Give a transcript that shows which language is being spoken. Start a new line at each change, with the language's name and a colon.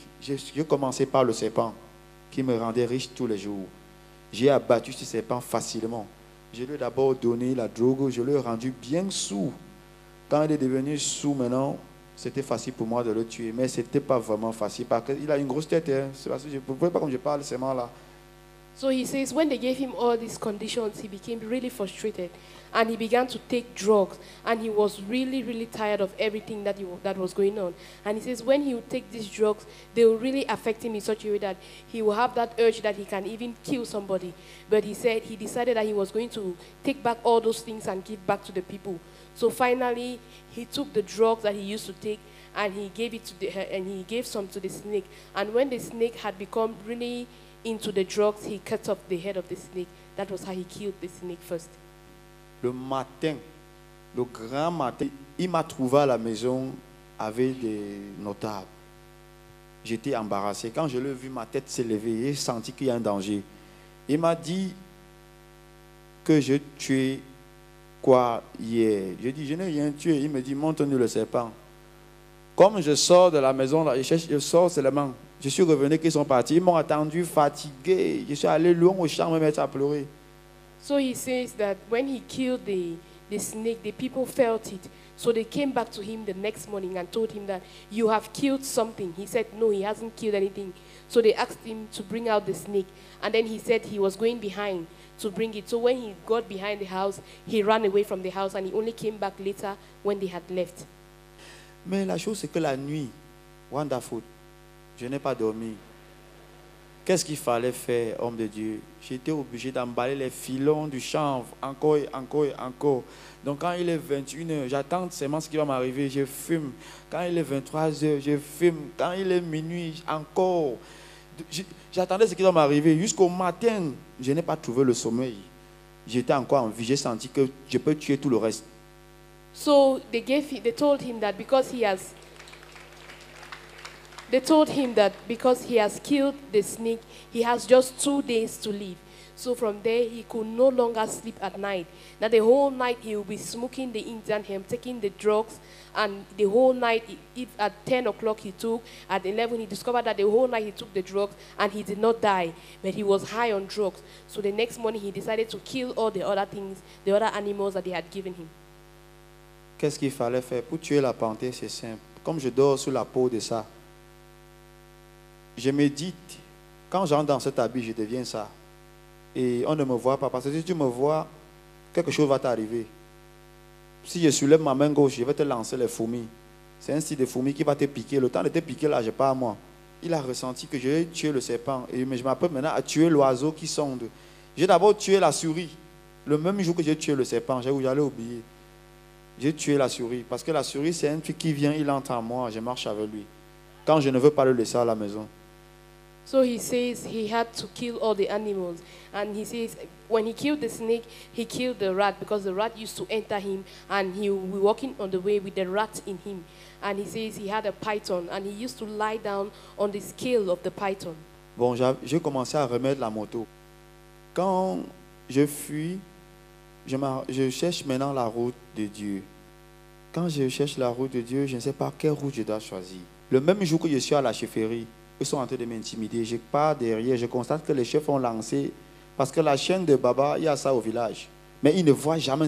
French: J'ai commencé par le serpent qui me rendait riche tous les jours. J'ai abattu ce serpent facilement. Je lui ai d'abord donné la drogue. Je lui ai rendu bien sous. Quand il est devenu sous maintenant, c'était facile pour moi de le tuer. Mais ce n'était pas vraiment facile. Parce qu'il a une grosse tête. Hein. C'est parce que je ne pouvais pas comme je parle, c'est mal là.
English: So he says, when they gave him all these conditions, he became really frustrated. And he began to take drugs. And he was really, really tired of everything that was going on. And he says, when he would take these drugs, they will really affect him in such a way that he will have that urge that he can even kill somebody. But he said, he decided that he was going to take back all those things and give back to the people. So finally, he took the drugs that he used to take and he gave it to the, and he gave some to the snake. And when the snake had become really into the drugs, he cut off the head of the snake. That was how he killed the snake first.
French: Le matin, le grand matin, il m'a trouvé à la maison avec des notables. J'étais embarrassé. Quand je l'ai vu, ma tête s'est levée et j'ai senti qu'il y a un danger. Il m'a dit que je tuais quoi hier. J'ai dit, je n'ai rien tué. Il me dit, monte-nous le serpent. Comme je sors de la maison, là, je sors seulement. Je suis revenu qu'ils sont partis. Ils m'ont attendu fatigué. Je suis allé loin au champ me mettre à pleurer.
English: So he says that when he killed the snake, the people felt it. So they came back to him the next morning and told him that you have killed something. He said, no, he hasn't killed anything. So they asked him to bring out the snake. And then he said he was going behind to bring it. So when he got behind the house, he ran away from the house and he only came back later when they had left.
French: Mais la chose, c'est que la nuit, wonderful, je n'ai pas dormi. Qu'est-ce qu'il fallait faire, homme de Dieu? J'étais obligé d'emballer les filons du chanvre encore et encore et encore. Donc quand il est 21h, j'attends seulement ce qui va m'arriver, je fume. Quand il est 23h, je fume. Quand il est minuit, encore. J'attendais ce qui va m'arriver. Jusqu'au matin, je n'ai pas trouvé le sommeil. J'étais encore en vie, j'ai senti que je peux tuer tout le reste.
English: So they told him that because he has... They told him that because he has killed the snake, he has just 2 days to live. So from there, he could no longer sleep at night. Now the whole night, he will be smoking the Indian hemp, taking the drugs. And the whole night, if at 10 o'clock he took, at 11, he discovered that the whole night he took the drugs and he did not die. But he was high on drugs. So the next morning, he decided to kill all the other things, the other animals that they had given him.
French: Qu'est-ce qu'il fallait faire pour tuer la panthère? C'est simple. Comme je dors sous la peau de ça, je médite. Quand j'entre dans cet habit, je deviens ça. Et on ne me voit pas. Parce que si tu me vois, quelque chose va t'arriver. Si je soulève ma main gauche, je vais te lancer les fourmis. C'est un style de fourmis qui va te piquer. Le temps de te piquer, là, je n'ai pas à moi. Il a ressenti que j'ai tué le serpent. Et je m'apprête maintenant à tuer l'oiseau qui sonde. J'ai d'abord tué la souris. Le même jour que j'ai tué le serpent, j'allais oublier. J'ai tué la souris. Parce que la souris, c'est un truc qui vient, il entre en moi, je marche avec lui. Quand je ne veux pas le laisser à la maison.
English: So he says he had to kill all the animals. And he says when he killed the snake, he killed the rat because the rat used to enter him and he was walking on the way with the rat in him. And he says he had a python and he used to lie down on the scale of the python.
French: Bon, j'ai commencé à remettre la moto. Quand je fuis, je cherche maintenant la route de Dieu. Quand je cherche la route de Dieu, je ne sais pas quelle route je dois choisir. Le même jour que je suis à la chefferie, ils sont en train de m'intimider. Je pars derrière. Je constate que les chefs ont lancé. Parce que la chaîne de Baba, il y a ça au village. Mais ils ne voient jamais.